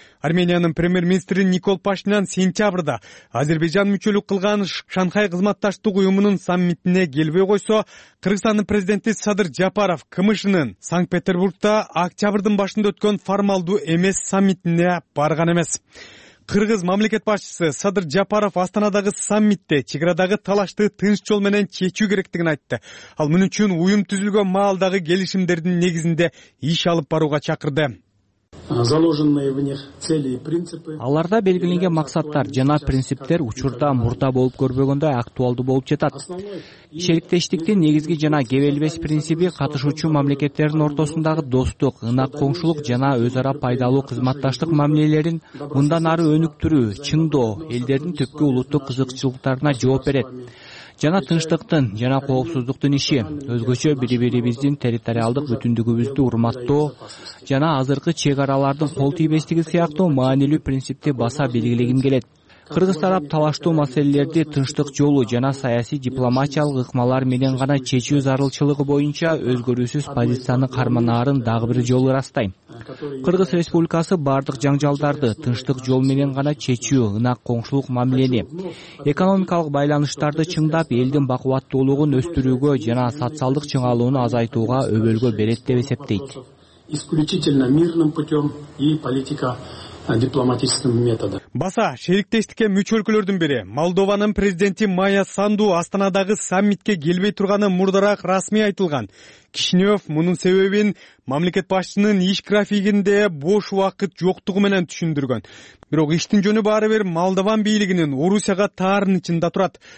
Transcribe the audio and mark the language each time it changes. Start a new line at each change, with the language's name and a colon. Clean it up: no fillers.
Kyrgyz: Армениянын премьер-министри Никол Пашинян сентябрда Азербайджан мүчөлүк кылган Шанхай кызматташтык уюмунун саммитине келбей койсо, Кыргызстандын президенти Садыр Жапаров КМШнын Санкт-Петербургда октябрдын башында өткөн формалдуу эмес саммитине барган эмес. Кыргыз мамлекет башчысы Садыр Жапаров Астанадагы саммитте чекарадагы талашты тынч жол менен чечүү керектигин айтты. Ал мун үчүн уюм түзүлгөн маалдагы келишимдердин негизинде иш алып барууга чакырды.
Russian: Заложенные в них цели и принципы.
Kyrgyz: Аларда белгиленген максаттар жана принциптер учурда мурда болуп көрбөгөндөй актуалдуу болуп жатат. Шериктештиктин негизги жана кебелбес принциби катышуучу мамлекеттердин ортосундагы достук, ынак коңшулук жана өз ара пайдалуу кызматташтык мамилелерин мындан ары өнүктүрүү, чыңдоо элдердин түпкү улуттук кызыкчылыктарына жооп берет. Жана тынчтыктын жана коопсуздуктун иши өзгөчө бири-бирибиздин территориалдык бүтүндүгүбүздү урматтоо жана азыркы чек аралардын кол тийбестиги сыяктуу маанилүү принципти баса белгилегим келет. Кыргыз тарап талаштуу маселелерди тынчтык жолу жана саясий дипломатиялык ыкмалар менен гана чечүү зарылчылыгы боюнча өзгөрүүсүз позицияны карманаарын дагы бир жолу ырастайм. Кыргыз Республикасы бардык жаңжалдарды тынчтык жол менен гана чечүү, ынак коңшулук мамилени, экономикалык байланыштарды чыңдап, элдин бакубаттуулугун өстүрүүгө жана социалдык чыңалууну азайтууга өбөлгө берет деп эсептейт.
Russian: Исключительно мирным путем и политика дипломатическим методом.
Kyrgyz: Баса шериктештикке мүчө өлкөлөрдүн бири Молдованын президенти Майя Санду Астанадагы саммитке келбей турганы мурдараак расмий айтылган. Кишинев мунун себебин мамлекет башчынын иш графигинде бош убакыт жоктугу менен түшүндүргөн. Бирок иштин жөнү баары бир Молдован бийлигинин Орусияга таарынычында турат.